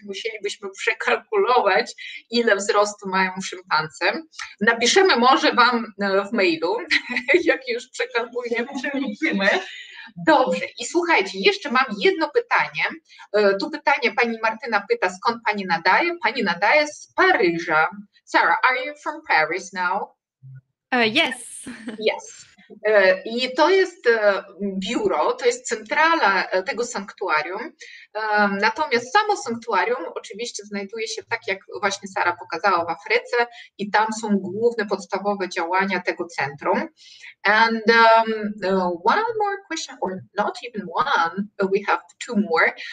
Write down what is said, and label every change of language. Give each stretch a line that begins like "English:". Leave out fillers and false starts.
Polish: Musielibyśmy przekalkulować, ile wzrostu mają szympanse. Napiszemy może wam w mailu, jak już przekalkulujemy, przeliczymy. Dobrze, i słuchajcie, jeszcze mam jedno pytanie. Tu pytanie pani Martyna pyta, skąd pani nadaje? Pani nadaje z Paryża.
English: Sara, are you from Paris now? Yes. Yes.
Polish: I to jest biuro, to jest centrala tego sanktuarium. Natomiast samo sanktuarium oczywiście znajduje się tak, jak właśnie Sara pokazała, w Afryce i tam są główne podstawowe działania tego centrum.
English: And one more question, or not even one, we have two more.